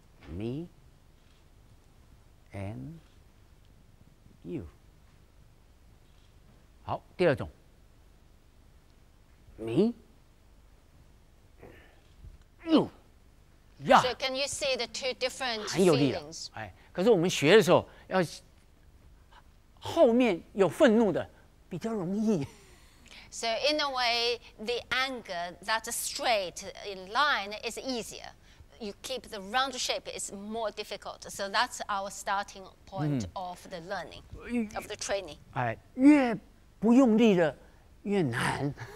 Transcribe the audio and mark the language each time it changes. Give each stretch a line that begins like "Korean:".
English: Me. And you.
Chinese: 好,第二种.
English: Me. You. Yeah. So can you see the two different feelings?
Chinese: 可是我们学的时候, 后面有愤怒的,比较容易。
English: So in a way, the anger that's straight in line is easier. You keep the round shape, it's more difficult. So that's our starting point of the learning, of the training.
Chinese: 越不用力的越难。